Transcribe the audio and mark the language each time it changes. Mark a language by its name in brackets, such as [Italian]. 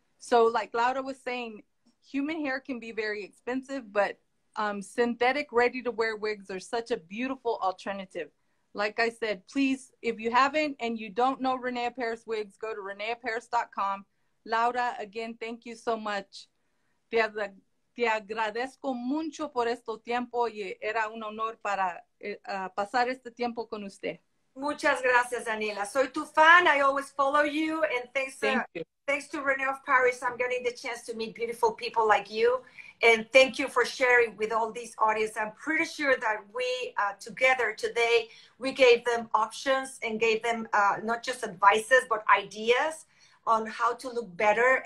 [English] So like Laura was saying, human hair can be very expensive, but synthetic ready-to-wear wigs are such a beautiful alternative. like I said, please, if you haven't and you don't know Renea Paris wigs, go to reneaparis.com. Laura, again, thank you so much. [Spanish] Te agradezco mucho por este tiempo y era un honor para pasar este tiempo con usted. Muchas gracias, Daniela. Soy tu fan. [English] I always follow you. And thanks, thanks to René of Paris, I'm getting the chance to meet beautiful people like you. And thank you for sharing with all these audience. I'm pretty sure that we together today, we gave them options and gave them not just advices, but ideas on how to look better.